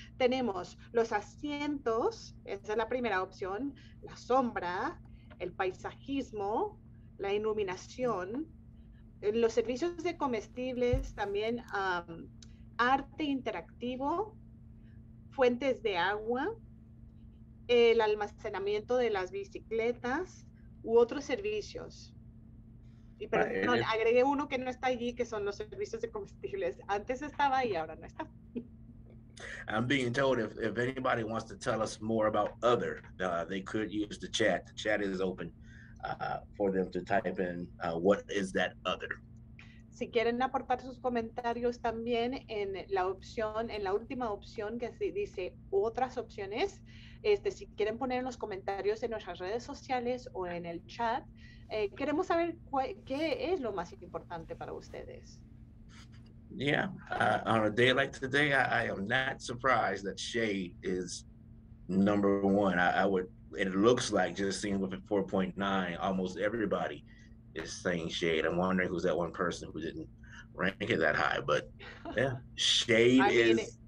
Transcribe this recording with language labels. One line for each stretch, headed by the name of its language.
Spanish: Tenemos los asientos, esa es la primera opción, la sombra, el paisajismo, la iluminación, los servicios de comestibles, también arte interactivo, fuentes de agua, el almacenamiento de las bicicletas u otros servicios. Y perdón, agregué uno que no está allí, que son los servicios de comestibles. Antes estaba y ahora no está.
English: I'm being told if anybody wants to tell us more about other, they could use the chat. The chat is open for them to type in what is that other.
Spanish: Si quieren aportar sus comentarios también en la opción, en la última opción que se dice otras opciones, si quieren poner en los comentarios en nuestras redes sociales o en el chat, queremos saber qué es lo más importante para ustedes.
English: Yeah, on a day like today, I am not surprised that shade is number one. I would it looks like, just seeing with 4.9, almost everybody is saying shade. I'm wondering who's that one person who didn't rank it that high, but yeah, shade.